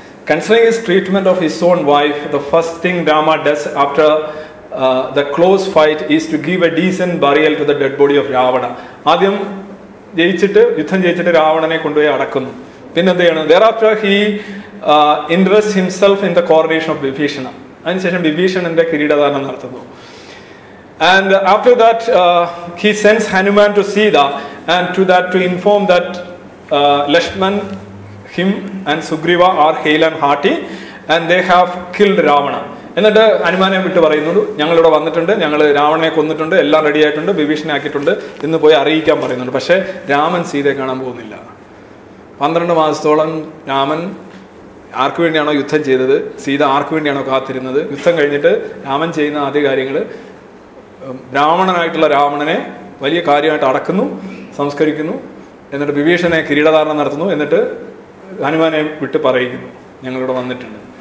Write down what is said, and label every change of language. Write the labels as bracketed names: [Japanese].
[English] Considering his treatment of his own wife, the first thing Rama does after the close fight is to give a decent burial to the dead body of Ravana. [Malayalam] ആദ്യം ജയിച്ചിട്ട്, യുദ്ധം ജയിച്ചിട്ട് രാവണനെ കൊണ്ടുപോയി അടക്കുന്നു. പിന്നെന്ത് ചെയ്യണം, [English] Thereafter he interest himself in the coronation of Vibhishana. [Malayalam] അതിനുശേഷം വിഭീഷണന്റെ കിരീടധാരണം നടത്തുന്നു. [English] And after that, he sends Hanuman to Sita and to that to inform that Lakshman, him and Sugriva are hale and hearty and they have killed Ravana. [Malayalam] എന്നിട്ട് ഹനുമാനെ വിട്ട് പറയുന്നുണ്ട്, ഞങ്ങളിവിടെ വന്നിട്ടുണ്ട്, ഞങ്ങൾ രാവണനെ കൊന്നിട്ടുണ്ട്, എല്ലാം റെഡി ആയിട്ടുണ്ട്, വിഭീഷണി ആക്കിയിട്ടുണ്ട് എന്ന് പോയി അറിയിക്കാൻ പറയുന്നുണ്ട്. പക്ഷേ രാമൻ സീതയെ കാണാൻ പോകുന്നില്ല. 12 രാമൻ ആർക്കു വേണ്ടിയാണോ യുദ്ധം ചെയ്തത്, സീത ആർക്കു വേണ്ടിയാണോ കാത്തിരുന്നത്, യുദ്ധം കഴിഞ്ഞിട്ട് രാമൻ ചെയ്യുന്ന ആദ്യ കാര്യങ്ങൾ, ബ്രാഹ്മണനായിട്ടുള്ള രാവണനെ വലിയ കാര്യമായിട്ട് അടക്കുന്നു, സംസ്കരിക്കുന്നു, എന്നിട്ട് വിഭീഷണനെ കിരീടധാരണം നടത്തുന്നു, എന്നിട്ട് ഹനുമാനെ വിട്ട് പറയിക്കുന്നു ഞങ്ങളിവിടെ വന്നിട്ടുണ്ട്.